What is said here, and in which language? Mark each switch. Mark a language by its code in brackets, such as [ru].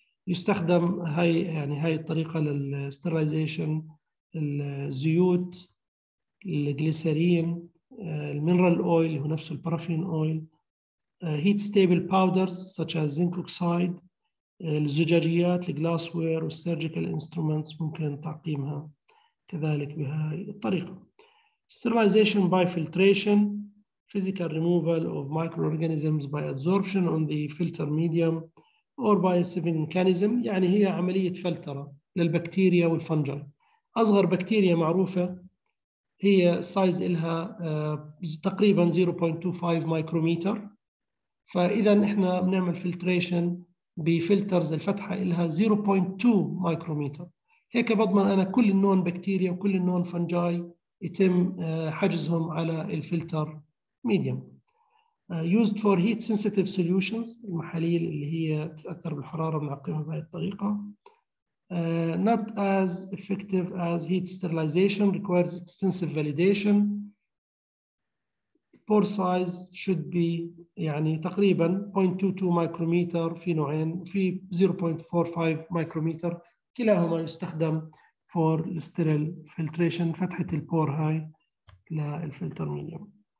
[ar] يستخدم هاي يعني هاي الطريقة للستيرلايزيشن الزيوت الجليسرين المينرال اويل هو نفسه البارافين اويل هيت ستيبل باودرز such as زنك اوكسايد الزجاجيات الجلاس وير والسيرجيكال انسترومنتس ممكن تعقيمها كذلك بهاي الطريقة. [en] sterilisation by filtration physical removal of microorganisms by adsorption on the filter medium or by a sieving mechanism [ar] يعني هي عملية فلترة للبكتيريا والفنجاي. أصغر بكتيريا معروفة هي سايز إلها تقريبا 0.25 مايكرومتر، فإذا إحنا بنعمل filtration بفلترز الفتحة إلها 0.2 مايكرومتر، هيك بضمن أنا كل النون بكتيريا وكل النون فنجاي يتم حجزهم على الفلتر medium. [en] Used for heat sensitive solutions [ar] المحاليل اللي هي تتأثر بالحرارة بنعقمها بهذه الطريقة. [en] Not as effective as heat sterilization requires extensive validation pore size should be [ar] يعني تقريبا 0.22 micrometer في نوعين في 0.45 micrometer كلاهما يستخدم [en] for sterile filtration [ar] فتحة البور هاي للفلتر ميديوم.